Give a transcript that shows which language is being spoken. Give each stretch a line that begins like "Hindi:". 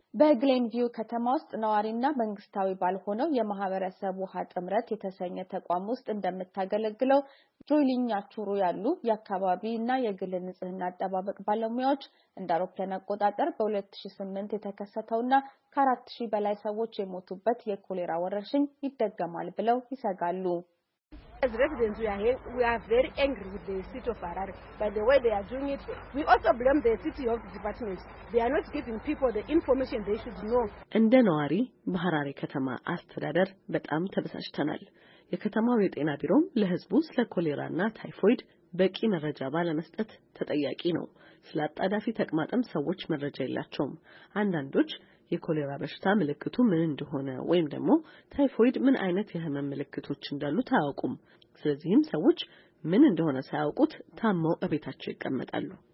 Amharic: በግሌንቪው ከተማ ውስጥ ነዋሪና መንግስታዊ ባልሆነው የማህበረሰብ ውሃ ጥምረት የተሰኘ ተቋም ውስጥ እንደምታገለግለው ጆይሊኛቹሩ ያሉ የአካባቢና የግል ንጽህና አጠባበቅ ባለሙያዎች እንደ አውሮፓውያን አቆጣጠር በ2008 የተከሰተውና ከ4000 በላይ ሰዎች የሞቱበት የኮሌራ ወረርሽኝ ይደገማል ብለው ይሰጋሉ።
English: As residents we are here, we are very angry with the city of Harare by the way they are doing it. We also blame the city health department. They are not giving people the information they should know.
Amharic: እንደ ነዋሪ በሐራሪ ከተማ አስተዳደር በጣም ተበሳጭተናል። የከተማው የጤና ቢሮም ለህዝቡ ስለ ኮሌራና ታይፎይድ በቂ መረጃ ባለመስጠት ተጠያቂ ነው። ስላጣዳፊ ተቅማጥም ሰዎች መረጃ የላቸውም። አንዳንዶች የኮሌራ በሽታ ምልክቱ ምን እንደሆነ ወይም ደግሞ ታይፎይድ ምን አይነት የህመም ምልክቶች እንዳሉ ታውቁም። ስለዚህም ሰዎች ምን እንደሆነ ሳያውቁት ታመው እቤታቸው ይቀመጣሉ።